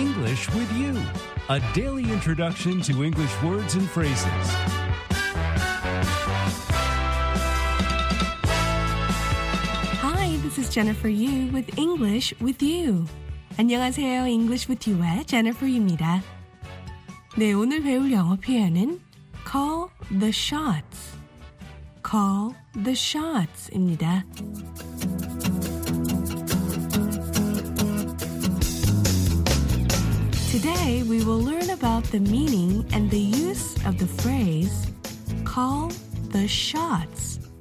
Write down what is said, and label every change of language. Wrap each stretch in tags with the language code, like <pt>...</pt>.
<en>English with you, a daily introduction to English words and phrases. Hi, this is Jennifer Yu with English with you.</en> <ko>안녕하세요. English with you의 Jennifer입니다. 네, 오늘 배울 영어 표현은 call the shots. call the shots입니다.</ko> <en>'Today we will learn about the meaning and the use of the phrase call the shots.</en>